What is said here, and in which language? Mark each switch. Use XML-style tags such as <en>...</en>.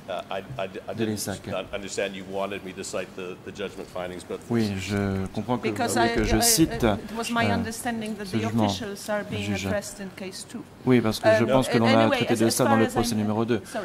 <en>I didn't understand you wanted me to cite the judgment findings, but</en> <fr>oui, je comprends que vous voulez que je cite.</fr> <en>It was my understanding that the officials are being addressed in case two.</en> <fr>Oui, parce que je pense que l'on a traité de ça dans le procès numéro 2.</fr>